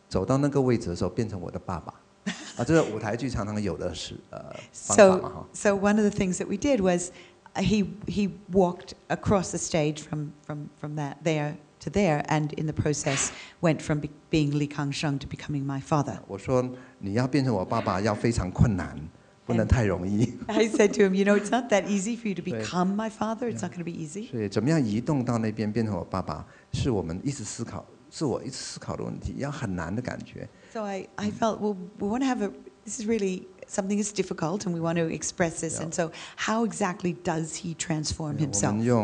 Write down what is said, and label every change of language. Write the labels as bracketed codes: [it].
[zh] 所以他一个人要演那个戏。所以我们在排戏的时候，有一场戏，有一个排练的时候，有一个画面是李康生要从这个位置走到那个位置，就是他自己走到那个位置的时候变成我的爸爸。 [en] So one of the things that we did was he walked across the stage from that there to there, and in the process went from being Li Kangsheng to becoming my father. [zh] 我说你要变成我爸爸要非常困难，不能太容易。 [en] I said to him, you know, it's not that easy for you to become my father. It's not going to be easy. [zh] 怎么样移动到那边变成我爸爸，是我们一直思考，自我一直思考的问题，要很难的感觉。 [en] So I felt, well, we want to have a, this is really something that's difficult, and we want to express this. And so how exactly does he transform himself?